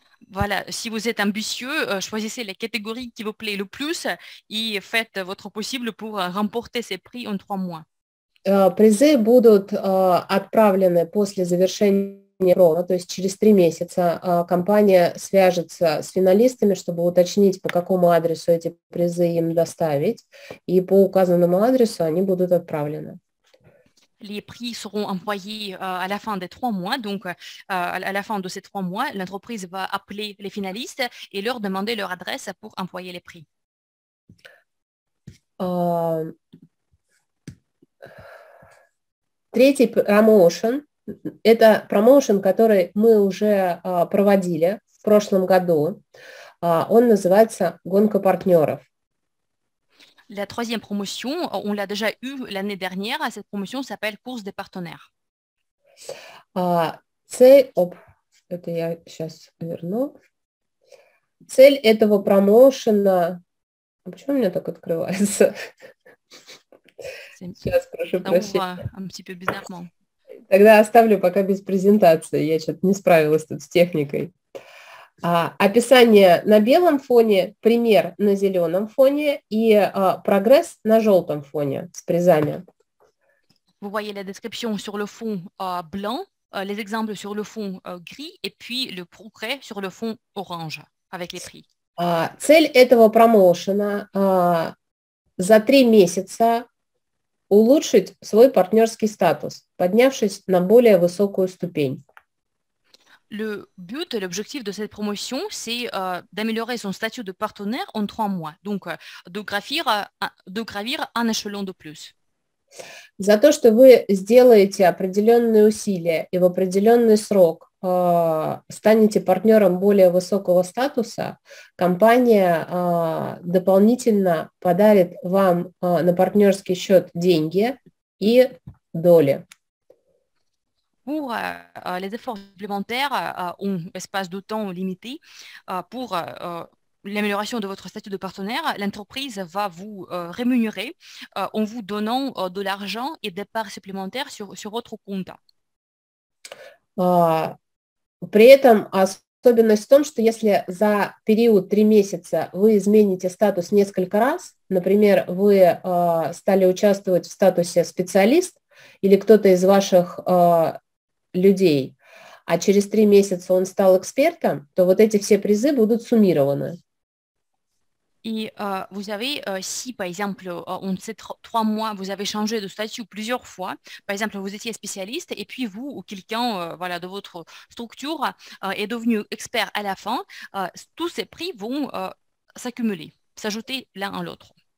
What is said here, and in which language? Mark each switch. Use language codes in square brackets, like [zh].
[fr] Voilà, si vous êtes ambitieux, choisissez la catégorie qui vous plaît le plus et faites votre possible pour remporter ces prix en 3 mois. [ru] Призы будут отправлены после завершения промо, то есть через 3 месяца компания свяжется с финалистами, чтобы уточнить, по какому адресу эти призы им доставить, и по указанному адресу они будут отправлены. [fr] Les prix seront envoyés à la fin des 3 mois. Donc, à la fin de ces 3 mois, l'entreprise va appeler les finalistes et leur demander leur adresse pour envoyer les prix. [ru] Третий промоушен. Это промоушен, который мы уже проводили в прошлом году. Он называется «Гонка партнеров». [fr] La troisième promotion, on l'a déjà eue l'année dernière, cette promotion s'appelle Course des partenaires. [ru] Цель этого промоушена... Почему у меня так открывается? Сейчас, прошу прощения. [fr] Un petit peu bizarrement. [ru] Тогда оставлю пока без презентации, я что-то не справилась тут с техникой. Описание на белом фоне, пример на зеленом фоне и прогресс на желтом фоне с призами. [fr] Vous voyez la description sur le fond blanc, les exemples sur le fond gris et puis le progrès sur le fond orange avec les prix. [ru] Цель этого промоушена за 3 месяца улучшить свой партнерский статус, поднявшись на более высокую ступень. [fr] Le but, l'objectif de cette promotion, c'est d'améliorer son statut de partenaire en 3 mois, donc de gravir un échelon de plus. [ru] За то, что вы сделаете определенные усилия и в определенный срок станете партнером более высокого статуса, компания дополнительно подарит вам на партнерский счет деньги и доли. [fr] Pour les efforts supplémentaires ou espace de temps limité, pour l'amélioration de votre statut de partenaire, l'entreprise va vous rémunérer en vous donnant de l'argent et des parts supplémentaires sur votre compte. [ru] При этом особенность в том, что если за период 3 месяца вы измените статус несколько раз, например, вы стали участвовать в статусе специалист или кто-то из ваших людей, а через 3 месяца он стал экспертом, то вот эти все призы будут суммированы. И [fr] vous avez, si, par exemple, en ces trois mois, vous avez changé de statut plusieurs fois, par exemple, vous étiez spécialiste, et puis vous ou quelqu'un voilà, de votre structure est devenu expert à la fin, tous ces prix vont s'accumuler, s'ajouter l'un à l'autre.